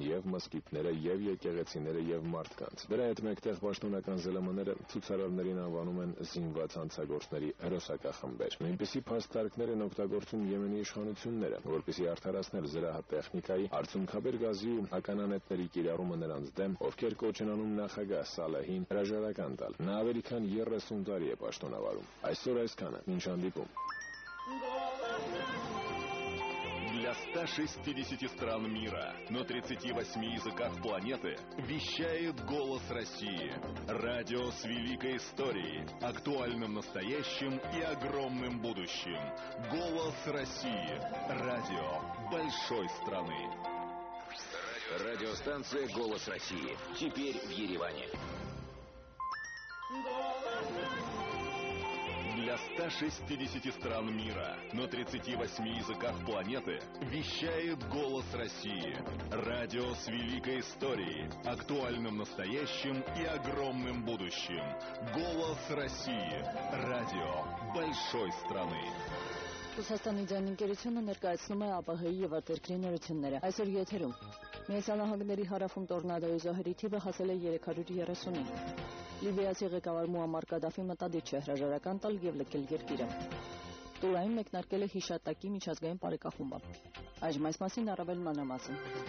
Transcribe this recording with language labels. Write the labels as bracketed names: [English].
[Armenian] և մսկիտները, և եկեղեցիները, և մարդկանց։ Դրա հետ մեկտեղ պաշտոնական ԶԼՄ-ները ցուցարարներին անվանում են զինված անցագործների հրոսակախմբեր։ Նույնպիսի փաստարկներ են օգտագործում Յեմենի իշխանությունները, որպեսզի արդարացնել զրահատեխնիկայի արցունքաբեր գազի ու ականանետների կիրառումը նրանց դեմ, ովքեր կոչանում նախագահ Սալահին հրաժարական տալ։ Նա ավելի քան 30 տարի է պաշտոնավարում։ Այսօր այսքանը, մինչ հանդիպում։ [Russian] Для 160 стран мира на 38 языках планеты вещает «Голос России». Радио с великой историей, актуальным настоящим и огромным будущим. «Голос России». Радио большой страны. Радиостанция «Голос России». Теперь в Ереване. Для 160 стран мира на 38 языках планеты вещает «Голос России». Радио с великой историей, актуальным настоящим и огромным будущим. «Голос России». Радио большой страны. [Armenian] Ռուսաստանի ձայն ընկերությունը ներկայացնում է ԱՊՀ-ի և արտերկրի նորությունները։ Այսօր եթերում Միասնահանգների հարավում տորնադոյի զոհերի թիվը հասել է 330-ին։ Լիբիայի ղեկավար Մուամար Կադաֆի մտադիրը հրաժարական տալ և լքել երկիրը։ Տուրային մեկնարկել է հիշատակի միջազգային բարեկախումբը։ Այժմ այս մասին առավել մանրամասն։